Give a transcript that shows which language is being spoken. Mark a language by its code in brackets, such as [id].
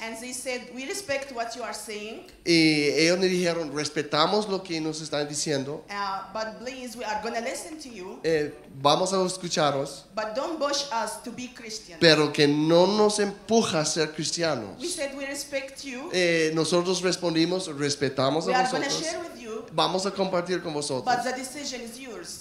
[en] And they said, we respect what you are saying. [es] Y ellos me dijeron, respetamos lo que nos están diciendo. [en] But please, we are gonna listen to you. [es] Vamos a escucharos. [en] But don't push us to be Christians. [es] Pero que no nos empuja a ser cristianos. [en] We said, we respect you. [es] Nosotros respondimos, respetamos [en] we [es] a vosotros. [en] We are gonna share with you. [es] Vamos a compartir con vosotros. [en] But the decision is yours.